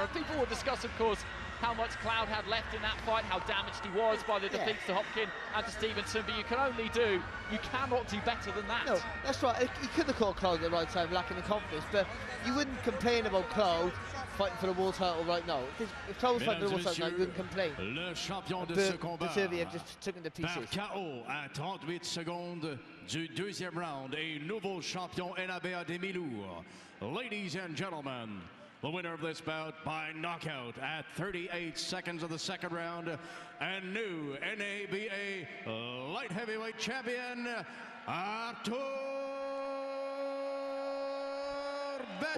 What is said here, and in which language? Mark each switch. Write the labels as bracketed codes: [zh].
[en] And people will discuss, of course, how much Cloud had left in that fight, how damaged he was by the defeats to Hopkins and to Stevenson, but you cannot do better than that. No, that's right. He could have caught Cloud at the right time, lacking the confidence, but you wouldn't complain about Cloud fighting for the world title right now. If Cloud was fighting for the world title right now, you wouldn't complain. [fr] Le champion de ce combat. [en] Beterbiev just took him to pieces. [fr] Par KO à 38 secondes du deuxième round, a nouveau champion NABA des Milours. [en] Ladies and gentlemen, the winner of this bout by knockout at 38 seconds of the second round, and new NABA light heavyweight champion, Artur Beterbiev.